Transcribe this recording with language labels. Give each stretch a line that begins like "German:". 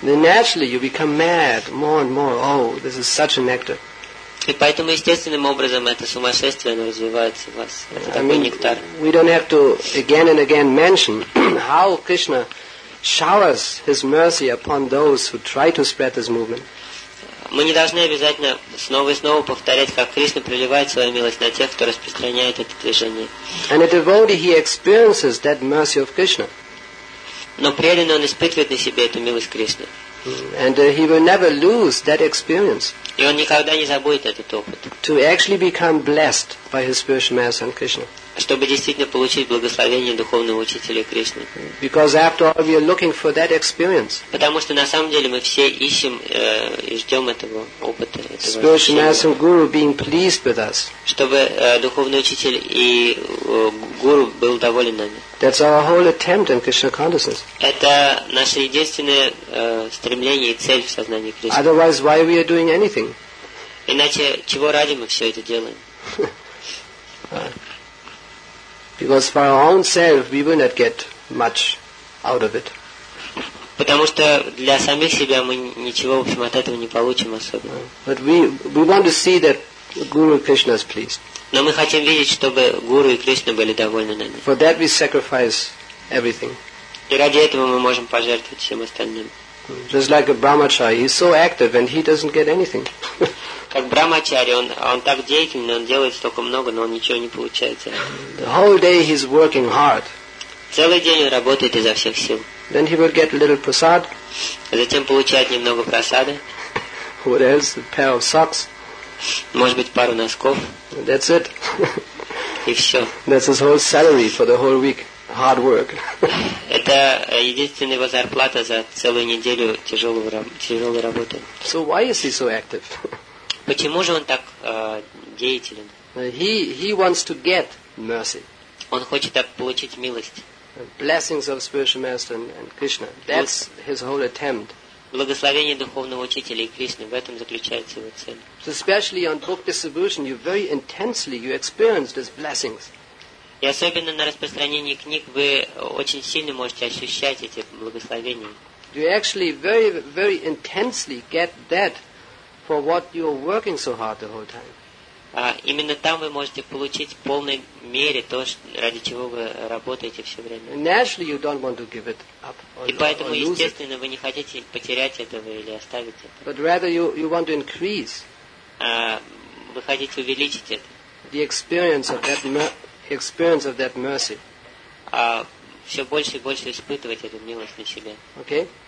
English: Then naturally you become mad more and more. Oh, this is such a nectar.
Russian: И поэтому естественным образом это сумасшествие, оно развивается в вас. Это такой нектар.
English: We don't have to again and again mention how Krishna showers his mercy upon those who try to spread this movement.
Russian: Мы не должны обязательно снова и снова повторять, как Кришна проливает свою милость на тех, кто распространяет это движение.
English: And a devotee, he experiences that mercy of Krishna.
Russian: Но преданный, он испытывает на себе эту милость Кришны.
English: And he will never lose that experience.
Russian: И он никогда не забудет этот опыт.
English: To actually become blessed by his spiritual master and Krishna.
Russian: Чтобы действительно получить благословение духовного учителя Кришны.
English: Because after all, we are looking for that experience.
Russian: Потому что на самом деле мы все ищем и ждем этого опыта. Этого
English: spiritual master and guru being pleased with us.
Russian: Чтобы духовный учитель и гуру был доволен нами.
English: That's our whole attempt in Krishna consciousness.
Russian: Это наше единственное стремление и цель в сознании Кришны.
English: Otherwise, why we are doing anything?
Russian: Иначе чего ради мы все это делаем?
English: Because for our own self, we will not get much out of it.
Russian: Потому что для самих себя мы ничего, в общем, от этого не получим особо.
English: But we want to see that Guru Krishna is pleased.
Russian: Но мы хотим видеть, чтобы Гуру и Кришна были довольны нами.
English: For that we sacrifice everything.
Russian: И ради этого мы можем пожертвовать всем остальным.
English: Just like a brahmachari, he's so active and he doesn't get anything.
Russian: Как брахмачари, он так деятельный, он делает столько много, но он ничего не получает.
English: The whole day he's working hard.
Russian: Целый день он работает изо всех сил.
English: Then he will get a little prasad.
Russian: Затем получает немного прасады.
English: What else? A pair of socks.
Russian: Может быть, пару носков.
English: That's it.
Russian: И все.
English: That's his whole salary for the whole week. hard work.
Russian: Это единственная его зарплата за целую неделю тяжелой работы.
English: So why is he so active?
Russian: Почему же он так деятелен?
English: He wants to get mercy.
Russian: Он хочет получить милость.
English: Blessings of spiritual master and Krishna. That's his whole attempt.
Russian: Благословение духовного учителя и Кришны, в этом заключается его цель.
English: So especially on book distribution, you very intensely you experience these blessings.
Russian: И особенно на распространении книг вы очень сильно можете ощущать эти благословения.
English: You actually very very intensely get that for what you are working so hard the whole time.
Russian: Именно там вы можете получить в полной мере то, ради чего вы работаете все время.
English: Naturally, you don't want to give it up or,
Russian: и поэтому,
English: or lose
Russian: естественно,
English: it.
Russian: Вы не хотите потерять этого или оставить это.
English: But rather you want to increase.
Russian: Вы хотите увеличить это.
English: The experience of that mercy.
Russian: Все больше и больше испытывать эту милость на себе.
English: Okay.